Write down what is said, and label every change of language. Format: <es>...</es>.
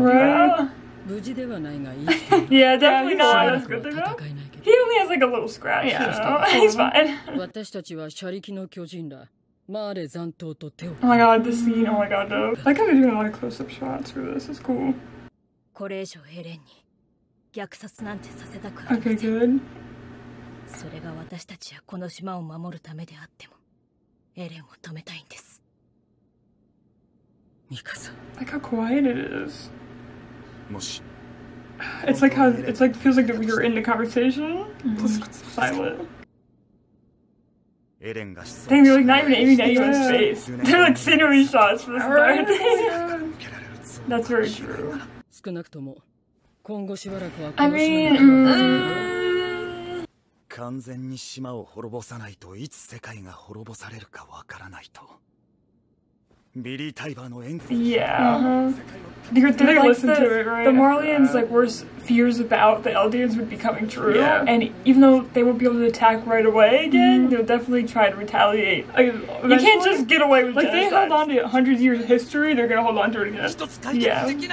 <en>right? you out. Yeah, definitely not as good enough. He only has like a little scratch, yeah. So he's fine. Oh my god, this scene, oh my god, no. I kind of do a lot of close-up shots for this, it's cool.</en> <ja>これ以上ヘレンに虐殺なんてさせたくありません。</ja> <en>Okay, good.</en> <ja>それが私たちやこの島を守るためであってもエレンを止めたいんです。ミカサ、</ja> <en>Like how quiet it is.</en> <ja>もし</ja> <en>It's like how it's like feels like you're in the conversation. Silent.</en> <ja>エレンが失踪した。</ja> <en>They're like not even aiming at anyone's face. They're like scenery shots for the start. That's very true.</en> <ja>少なくとも今後しばらくはこの島に完全に島を滅ぼさないといつ世界が滅ぼされるかわからないと。ビリー・タイバーの演説。</ja> <en>Yeah. Did I listen to it, right? The Marlians like worst fears about the Eldians would be coming true. Yeah. And even though they won't be able to attack right away again, they'll definitely try to retaliate. Eventually. You can't just get away with genocide. Like, they hold on to 100 years of history, they're gonna hold on to it again. Yeah.</en>